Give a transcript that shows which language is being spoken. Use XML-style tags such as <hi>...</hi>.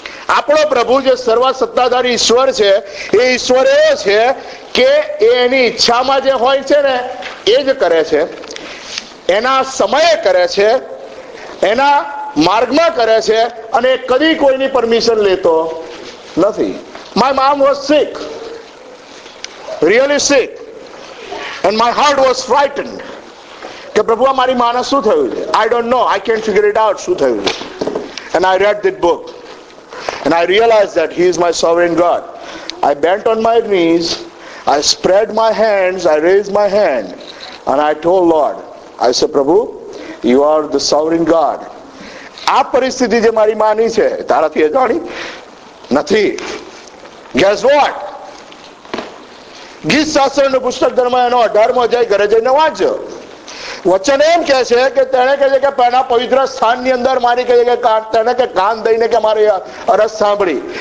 <gu>આપણો પ્રભુ જે સર્વ સત્તાધારી ઈશ્વર છે, એ ઈશ્વર એ છે કે એની ઈચ્છામાં જે હોય છે ને એ જ કરે છે, એના સમયે કરે છે, એના માર્ગમાં કરે છે, અને કદી કોઈની પરમિશન લેતો નથી.</gu> <en>my mom was sick, really sick, and my heart was frightened</en> <gu>કે પ્રભુ આ મારી માને શું થયું છે.</gu> <en>I don't know, I can't figure it out</en> <gu>શું થયું છે.</gu> <en>And I read this book and I realized that he is my sovereign God. I bent on my knees, I spread my hands, I raised my hand and I told Lord, I said, Prabhu, you are the sovereign God.</en> <gu>આ પરિસ્થિતિ જે મારી માની છે તારાથી એ જાણી નથી.</gu> <en>Guess what?</en> <gu>ગીત શાસ્ત્રનું પુસ્તક ધર્મમાં એનો 18મો અધ્યાય ઘરે જઈને વાંચજો. વચન એમ કે છે કે તેને કહે છે કે પહેલા પવિત્ર સ્થાનની અંદર મારી કહે છે કે કાન, તેને કે કાન દઈને કે મારી અરજ સાંભળી.</gu>